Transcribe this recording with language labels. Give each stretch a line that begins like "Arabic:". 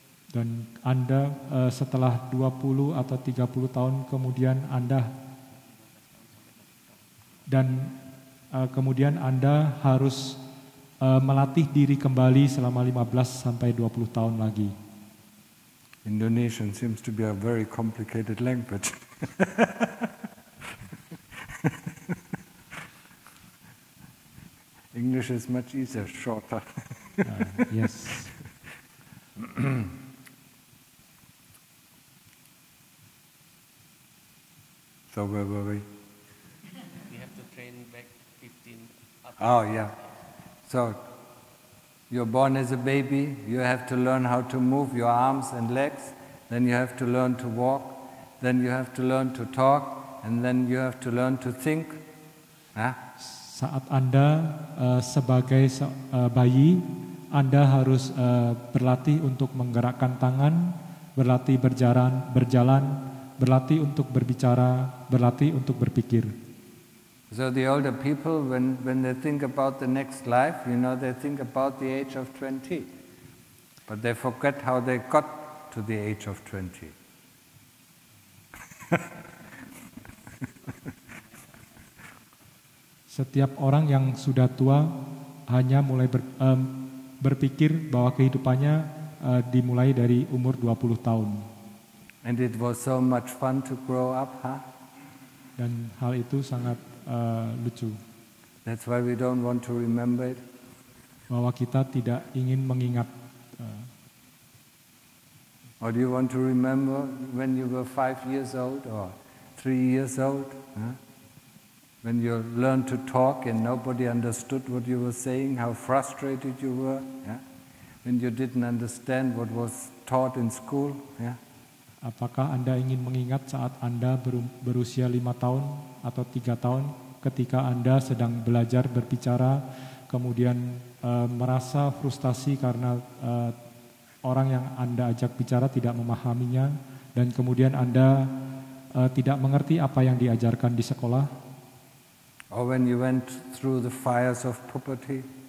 Indonesian: Dan Anda setelah 20 atau 30 tahun kemudian Anda dan kemudian Anda harus melatih diri kembali selama 15 sampai 20 tahun lagi.
English: Indonesian seems to be a very complicated language. English is much easier, shorter. Yes. So where were we? We have to train back 15. Oh yeah. So you're born as a baby, you have to learn how to move your arms and legs, then you have to learn to walk, then you have to learn to talk, and then you have to learn to think. Huh?
Indonesian: Saat Anda sebagai bayi, Anda harus berlatih untuk menggerakkan tangan, berlatih berjalan, berlatih untuk berbicara, berlatih untuk berpikir.
English: So the older people, when they think about the next life, you know, they think about the age of 20. But they forget how they got to the age of 20.
Indonesian: Setiap orang yang sudah tua hanya mulai berpikir bahwa kehidupannya dimulai dari umur 20 tahun.
English: And it was so much fun to grow up, huh?
Indonesian: Dan hal itu sangat lucu.
English: That's why we don't want to remember it.
Indonesian: Bahwa kita tidak ingin mengingat.
English: Or do you want to remember when you were 5 years old or 3 years old? Huh? When you learned to talk and nobody understood what you were saying, how frustrated you were, yeah? When you didn't understand what was taught in school, yeah?
Indonesian: Apakah Anda ingin mengingat saat Anda berusia 5 tahun atau 3 tahun ketika Anda sedang belajar berbicara, kemudian merasa frustasi karena orang yang Anda ajak bicara tidak memahaminya, dan kemudian Anda tidak mengerti apa yang diajarkan di sekolah?
English: Or when you went through the fires of puberty.